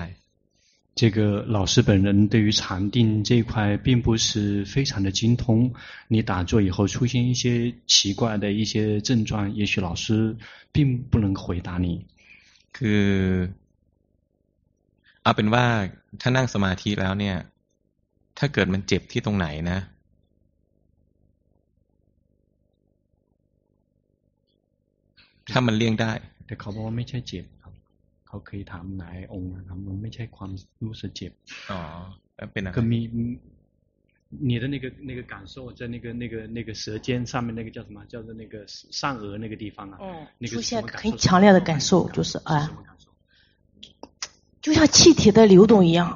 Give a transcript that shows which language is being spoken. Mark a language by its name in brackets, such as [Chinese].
[Chinese] 这个老师本人对于禅定这一块并不是非常的精通你打坐以后出现一些奇怪的一些症状也许老师并不能回答你 [Thai] คือเอาเป็นว่าถ้านั่งสมาธิแล้วเนี่ยถ้าเกิดมันเจ็บที่ตรงไหนนะถ้ามันเลี่ยงได้แต่เขาบอกว่าไม่ใช่เจ็บครับเขาเคยถามหลายองค์นะครับมันไม่ใช่ความรู้สึกเจ็บ อ๋อเป็นอะไร ก็มี [Chinese] 你的那个感受在那个舌尖上面那个叫什么？叫做那个上颚那个地方啊。嗯。那个、出现很强烈的感受，就是啊，就像气体的流动一样。